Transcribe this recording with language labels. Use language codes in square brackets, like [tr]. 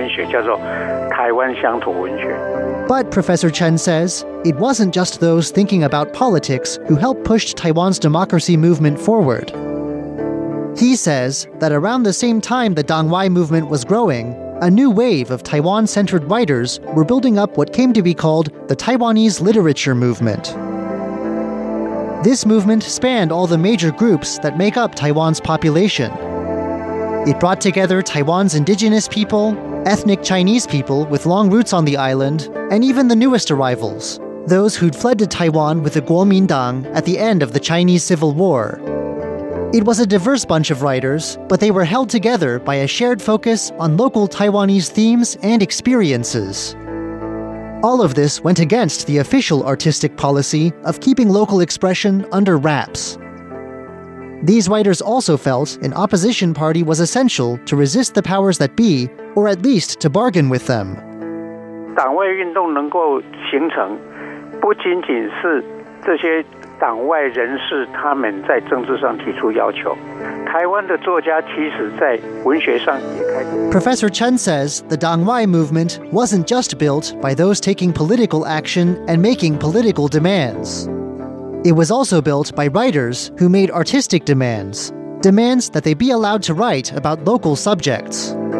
[zh] 伴随着当时的党外运动，台湾社会当时也有开始有一种文学叫做台湾乡土文学。 [en] But Professor Chen says it wasn't just those thinking about politics who helped push Taiwan's democracy movement forward. He says that around the same time the Dangwai movement was growing, a new wave of Taiwan-centered writers were building up what came to be called the Taiwanese Literature Movement. This movement spanned all the major groups that make up Taiwan's population. It brought together Taiwan's indigenous people, ethnic Chinese people with long roots on the island, and even the newest arrivals, those who'd fled to Taiwan with the Kuomintang at the end of the Chinese Civil War. It was a diverse bunch of writers, but they were held together by a shared focus on local Taiwanese themes and experiences. All of this went against the official artistic policy of keeping local expression under wraps. These writers also felt an opposition party was essential to resist the powers that be or at least to bargain with them. [zh] 党外运动能够形成，不仅仅是这些党外人士他们在政治上提出要求，台湾的作家其实在文学上也开始。 [en] Professor Chen says the 党外 movement wasn't just built by those taking political action and making political demands. It was also built by writers who made artistic demands, demands that they be allowed to write about local subjects.